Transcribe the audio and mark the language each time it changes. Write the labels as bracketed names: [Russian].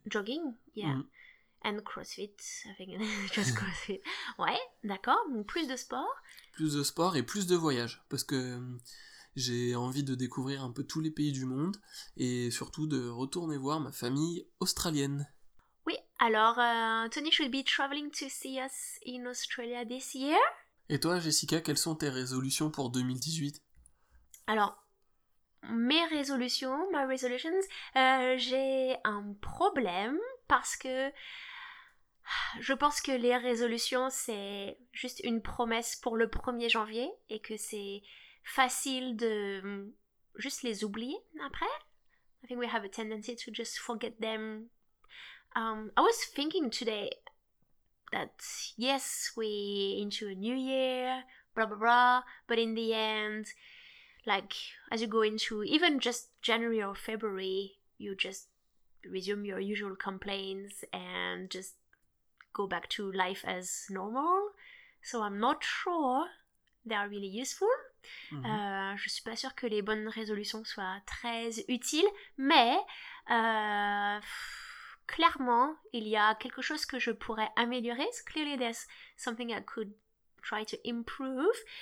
[English] Jogging, yeah. And CrossFit, I think. Just CrossFit. [French] Ouais, d'accord. Donc, plus de sport. Plus de sport et plus de voyages. Parce que j'ai envie de découvrir un peu tous les pays du monde et surtout de retourner voir ma famille australienne. Oui, alors [English] Tony should be traveling to see us in Australia this year. [French] Et toi, Jessica, quelles sont tes résolutions pour 2018? Alors, mes résolutions, [English] my resolutions, [French] j'ai un problème parce que je pense que les résolutions, c'est juste une promesse pour le 1er janvier et que c'est facile de juste les oublier après. [English] I think we have a tendency to just forget them. I was thinking today that yes, we're into a new year, blah, blah, blah, but in the end, like, as you go into even just January or February, you just resume your usual complaints and just go back to life as normal. So I'm not sure they are really useful. Mm-hmm. [French] Je suis pas sûre que les bonnes résolutions soient très utiles, mais clairement, il y a quelque chose que je pourrais améliorer. [English] So clearly, there's something I could try to improve.